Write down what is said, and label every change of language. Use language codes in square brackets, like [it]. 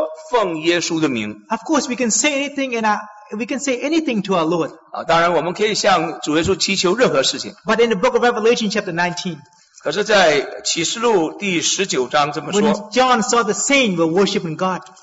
[en] of course, we can say anything in our We can say anything to our Lord. [zh] 当然我们可以向主耶稣祈求任何事情。 [en] But in the book of Revelation chapter 19, [zh] 可是在启示录第19章这么说, [en] when John saw the saints were worshiping God,